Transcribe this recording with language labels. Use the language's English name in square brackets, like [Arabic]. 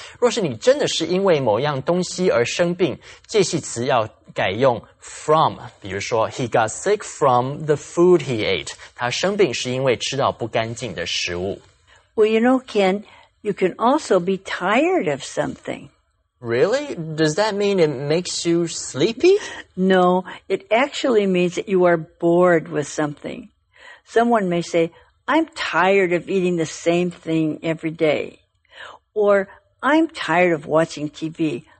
[Chinese] 若是你真的是因为某样东西而生病，介系词要改用 from。比如说 [English] ,he got sick from the food he ate. [Chinese] 他生病是因为吃到不干净的食物。 [English] Well, you know, Ken, you can also be tired of something. Really? Does that mean it makes you sleepy? No, it actually means that you are bored with something. Someone may say, I'm tired of eating the same thing every day. Or, I'm tired of watching TV.